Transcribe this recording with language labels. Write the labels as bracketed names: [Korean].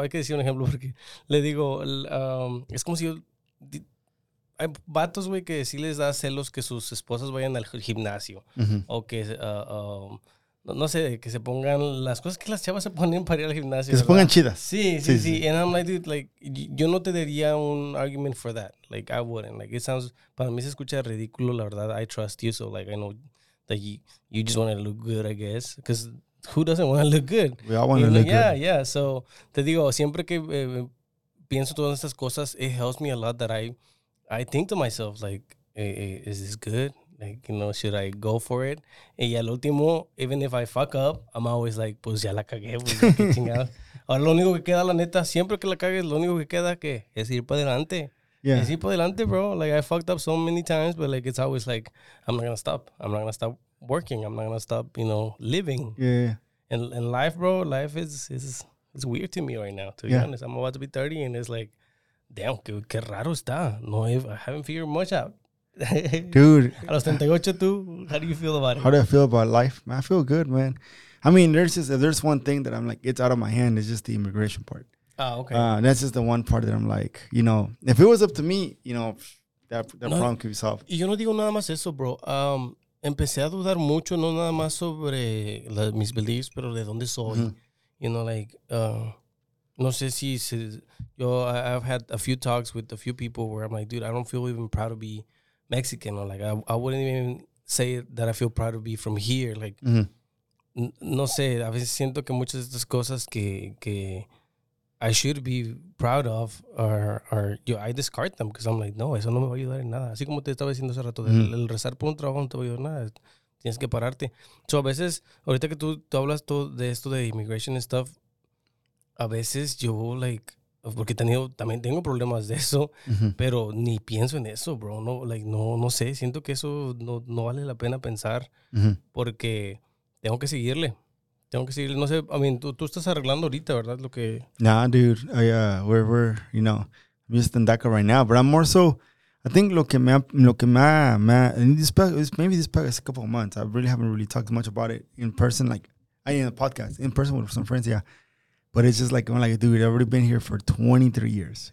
[Spanish] Hay que decir un ejemplo porque le digo, es como si yo, hay vatos, güey, que sí les da celos que sus esposas vayan al gimnasio. Mm-hmm. O que, no sé, que se pongan las cosas que las chavas se ponen para ir al gimnasio. Que se pongan chidas. [English] Sí. And I'm like, dude, like, [Spanish] yo no te daría un [English] argument for that. Like, I wouldn't. [Spanish] Like, [English] it sounds, [Spanish] para mí se escucha ridículo, la verdad. [English] I trust you, so, like, I know that you just want to look good, I guess. Because who doesn't want to look good? We all want to look good. Yeah, yeah. So, [Spanish] te digo, siempre que pienso todas estas cosas, [English] it helps me a lot that I think to myself, like, hey, is this good? Like, you know, should I go for it? [Spanish] Y al último, [English] even if I fuck up, I'm always like, [Spanish] pues ya la cagué, pues, qué chingados. Ahora lo único que queda, la neta, siempre que la cagues, lo único que queda que es ir para adelante. [English] Yeah. [Spanish] Es ir para adelante, bro. [English] Like, I fucked up so many times, but, like, it's always like, I'm not gonna stop. I'm not gonna stop working. I'm not gonna stop, you know, living. Yeah. And life, bro, life is weird to me right now, to be honest. I'm about to be 30, and it's like, damn, [Spanish] qué raro está. [English] No, I haven't figured much out. Dude, [Spanish] a los 38, tú, [English] how do you feel about it? How do I feel about life? Man, I feel good, man. I mean, there's one thing that I'm like, it's out of my hand. It's just the immigration part. Oh, okay. That's just the one part that I'm like, you know, if it was up to me, you know, that problem could be solved. [Spanish] Y yo no digo nada más eso, bro. Empecé a dudar mucho, no nada más sobre mis beliefs, pero de dónde soy. Mm-hmm. [English] You know, like, [Spanish] no sé si se, yo, [English] I've had a few talks with a few people where I'm like, dude, I don't feel even proud to be Mexican, or like, I wouldn't even say that I feel proud to be from here. [Spanish] Like, no sé, a veces siento que muchas de estas cosas que [English] I should be proud of are, I discard them because I'm like, [Spanish] no, eso no me va a ayudar en nada. Así como te estaba diciendo hace rato, el rezar por un trabajo no te va a ayudar en nada. tienes que pararte. So, a veces, ahorita que tú hablas todo de esto de [English] immigration and stuff, [Spanish] a veces yo, like, porque también tengo problemas de eso, pero ni pienso en eso, bro. No, like, no sé, siento que eso no vale la pena pensar, porque tengo que seguirle. No sé, I mean, tú estás arreglando ahorita, ¿verdad? Lo que... [English] Nah, dude, we're, you know, I'm just in DACA right now, but I'm more so, I think [Spanish] lo que me ha, [English] maybe this past couple of months, I really haven't really talked much about it in person, in a podcast, in person with some friends, yeah. But it's just like, I'm like, dude, I've already been here for 23 years.